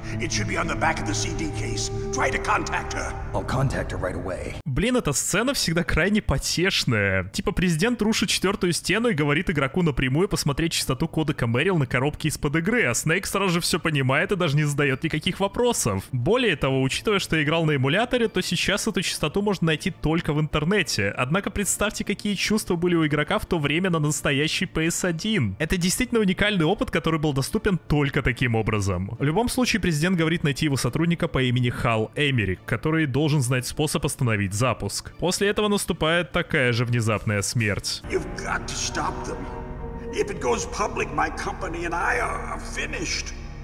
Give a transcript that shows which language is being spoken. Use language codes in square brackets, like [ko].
[en] It should be on the back of the CD case. Try to contact her. I'll contact her right away. [ru] Блин, эта сцена всегда крайне потешная. Типа президент рушит четвертую стену и говорит игроку напрямую посмотреть частоту кодека Мэрил на коробке из-под игры, а Снейк сразу же все понимает и даже не задает никаких вопросов. Более того, учитывая, что я играл на эмуляторе, то сейчас эту частоту можно найти только в интернете. Однако представьте, какие чувства были у игрока в то время на настоящий PS1. Это действительно уникальный опыт, который был доступен только таким образом. В любом случае, президент говорит найти его сотрудника по имени Хал Эмерик, который должен знать способ остановить запуск. После этого наступает такая же внезапная смерть. [en] You've got to stop them. If it goes public, my company and I are finished.